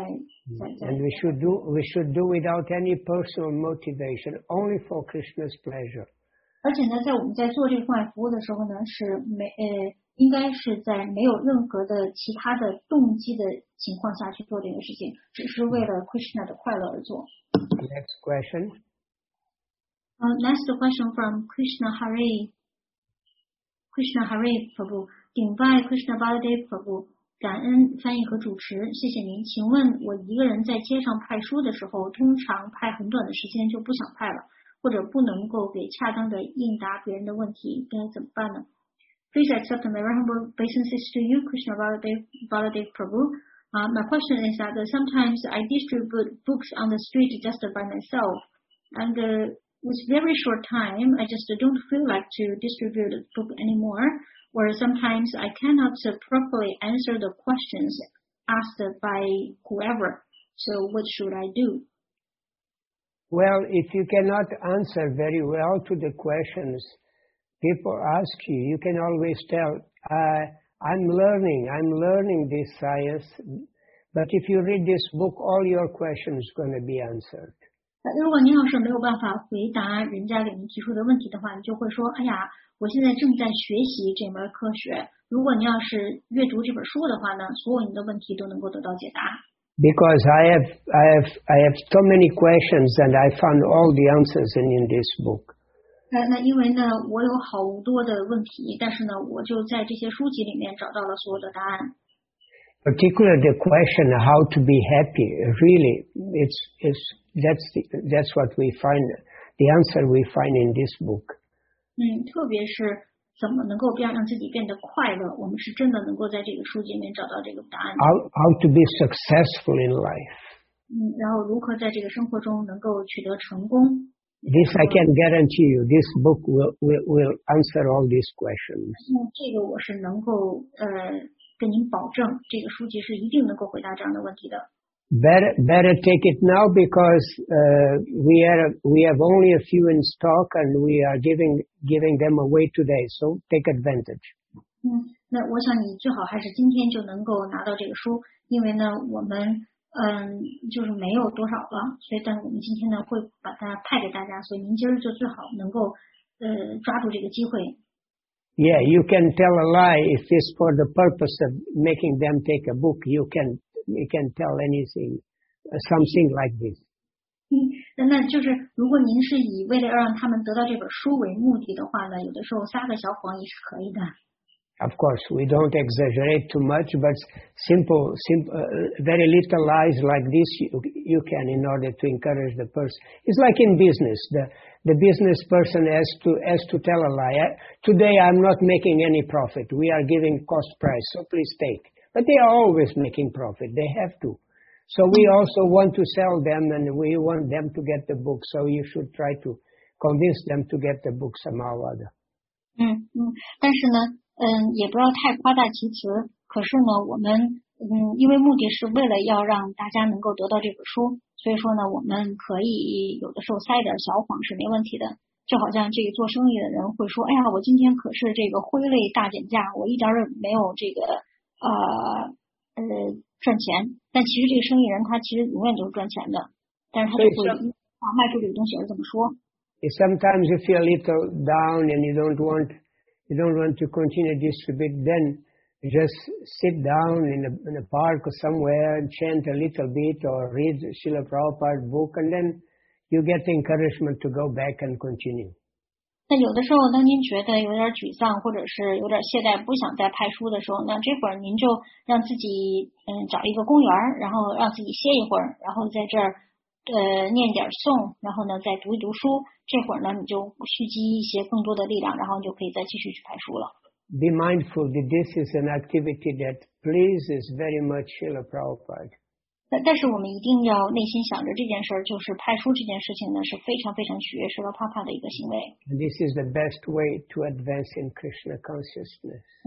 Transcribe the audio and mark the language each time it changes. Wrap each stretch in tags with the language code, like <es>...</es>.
<en>And we should do without any personal motivation, only for Krishna's pleasure.</en> <zh>而且呢，在我们在做这个奉爱服务的时候呢，是应该是在没有任何的其他的动机的情况下去做这个事情，只是为了 Krishna 的快乐而做。</zh> <en>Next question. Next question from Krishna Hari. Krishna Hari Prabhu, Dinvai Krishna Baladev Prabhu,</en> <zh>感恩翻译和主持，谢谢您。请问我一个人在街上派书的时候，通常派很短的时间就不想派了，或者不能够给恰当的应答别人的问题，该怎么办呢？</zh> <en>Please accept my humble obeisances to you, Krishna Baladev Prabhu. My question is that sometimes I distribute books on the street just by myself. And with very short time, I just don't feel like to distribute a book anymore. Or sometimes I cannot properly answer the questions asked by whoever. So what should I do? Well, if you cannot answer very well to the questions,People ask you, you can always tell, I'm learning this science, but if you read this book, all your questions are going to be answered.</en> <zh>如果您要是没有办法回答人家给您提出的问题的话，你就会说，哎呀，我现在正在学习这门科学。如果您要是阅读这本书的话呢，所有您的问题都能够得到解答。</zh> <en>Because I have so many questions and I found all the answers in this book.</en> <zh>那因为呢，我有好多的问题，但是呢，我就在这些书籍里面找到了所有的答案。</zh> <en>Particularly the question how to be happy, really, that's what we find, the answer we find in this book.</en> <zh>特别是怎么能够让自己变得快乐，我们是真的能够在这个书籍里面找到这个答案。</zh> <en>How to be successful in life.</en> <zh>然后如何在这个生活中能够取得成功。</zh> <en>This I can guarantee you, this book will answer all these questions.</en> <zh>这个我是能够跟您保证，这个书籍是一定能够回答这样的问题的。</zh> <en>Better take it now because we have only a few in stock and we are giving them away today, so take advantage.</en> <zh>那我想你最好还是今天就能够拿到这个书，因为呢我们就是没有多少了，所以但我们今天呢会把它派给大家，所以您今儿就最好能够抓住这个机会。</zh> <en>Yeah, you can tell a lie if it's for the purpose of making them take a book. You can tell anything, something like this.</en> <zh>那就是如果您是以为了让他们得到这本书为目的的话呢，有的时候撒个小谎也是可以的。</zh> <en>Of course, we don't exaggerate too much, but very little lies like this you can in order to encourage the person. It's like in business. The business person has to tell a lie. Today I'm not making any profit. We are giving cost price, so please take. But they are always making profit. They have to. So we also want to sell them and we want them to get the book. So you should try to convince them to get the book somehow or other.</en> <zh>但是呢也不要太夸大其词，可是呢我们因为目的是为了要让大家能够得到这本书，所以说呢我们可以有的时候塞一点小谎是没问题的，就好像这个做生意的人会说，哎呀我今天可是这个挥泪大减价，我一点儿没有这个赚钱，但其实这个生意人他其实永远都是赚钱的，但是他就会卖出这个东西而怎么说。</zh> <en>Sometimes you feel a little down and you don't want to continue to distribute, then just sit down in a park or somewhere and chant a little bit or read Srila Prabhupada's book and then you get the encouragement to go back and continue.</en> <zh>那有的时候当您觉得有点沮丧或者是有点懈怠不想再拍书的时候，那这会儿您就让自己找一个公园，然后让自己歇一会儿，然后在这儿念点诵，然后呢再读一读书，这会儿呢你就蓄积一些更多的力量，然后你就可以再继续去看书了。</zh> <en>Be mindful that this is an activity that pleases very much Srila Prabhupada.</en> <zh>但是我们一定要内心想着这件事，就是拍书这件事情呢是非常非常取悦Srila Prabhupada的一个行为。</zh> <en>And this is the best way to advance in Krishna consciousness.</en>